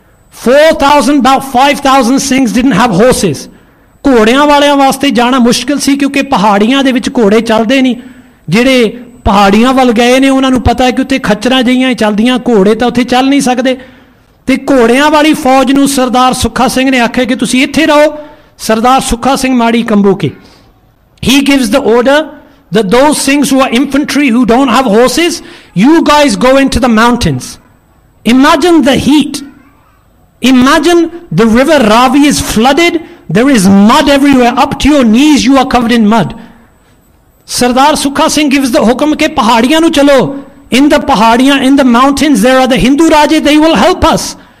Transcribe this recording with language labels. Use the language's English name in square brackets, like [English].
[English] 4,000, about 5,000 Singhs didn't have horses. [Punjabi] ਘੋੜਿਆਂ ਵਾਲਿਆਂ ਵਾਸਤੇ ਜਾਣਾ ਮੁਸ਼ਕਿਲ ਸੀ ਕਿਉਂਕਿ ਪਹਾੜੀਆਂ ਦੇ ਵਿੱਚ ਘੋੜੇ ਚੱਲਦੇ ਨਹੀਂ. ਜਿਹੜੇ ਪਹਾੜੀਆਂ ਵੱਲ ਗਏ ਨੇ ਉਹਨਾਂ ਨੂੰ ਪਤਾ ਕਿ ਉੱਥੇ ਖੱਚਰਾਂ ਜਿਹੀਆਂ ਚੱਲਦੀਆਂ, ਘੋੜੇ ਤਾਂ ਉੱਥੇ ਚੱਲ ਨਹੀਂ ਸਕਦੇ. ਅਤੇ ਘੋੜਿਆਂ ਵਾਲੀ ਫੌਜ ਨੂੰ ਸਰਦਾਰ ਸੁੱਖਾ ਸਿੰਘ ਨੇ ਆਖਿਆ ਕਿ ਤੁਸੀਂ ਇੱਥੇ ਰਹੋ. [English] Sardar Sukha Singh Mari Kamboke, he gives the order the two Singhs who are infantry who don't have horses, you guys go in to the mountains. Imagine the heat. Imagine the river Ravi is flooded, there is mud everywhere, up to your knees you are covered in mud. Sardar Sukha Singh gives the hukam [Punjabi] ke pahadiyan nu chalo, [English] in the pahadiyan, in the mountains there are the Hindu Raja, they will help us.